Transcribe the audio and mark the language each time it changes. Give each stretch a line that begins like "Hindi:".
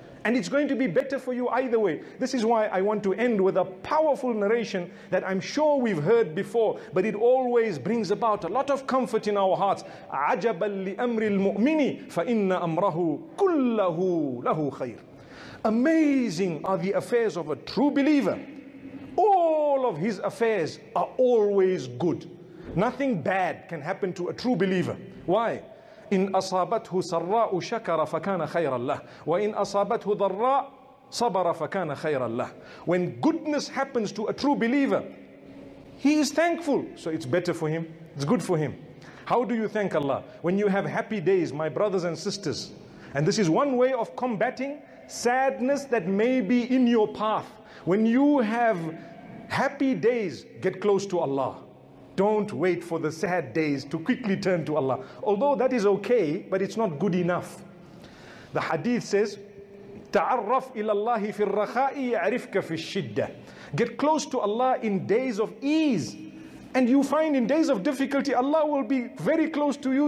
English: And it's going to be better for you either way. This is why I want to end with a powerful narration that I'm sure we've heard before, but it always brings about a lot of comfort in our hearts.
Arabic: عَجَبًا لِأَمْرِ الْمُؤْمِنِ فَإِنَّ أَمْرَهُ كُلَّهُ لَهُ خَيْرٌ.
English: Amazing are the affairs of a true believer. All of his affairs are always good. Nothing bad can happen to a true believer. Why?
Arabic: إن أصابته سراء شكر فكان خيرا له وإن أصابته ضراء صبر فكان خيرا له.
English: When goodness happens to a true believer, he is thankful, so it's better for him, it's good for him. How do you thank Allah? When you have happy days, my brothers and sisters, and this is one way of combating sadness that may be in your path. When you have happy days, get close to Allah. Don't wait for the sad days to quickly turn to Allah. Although that is okay, but it's not good enough. The hadith says,
Arabic: تعرف إلى الله في الرخاء يعرفك في الشدة.
English: Get close to Allah in days of ease. And you find in days of difficulty, Allah will be very close to you.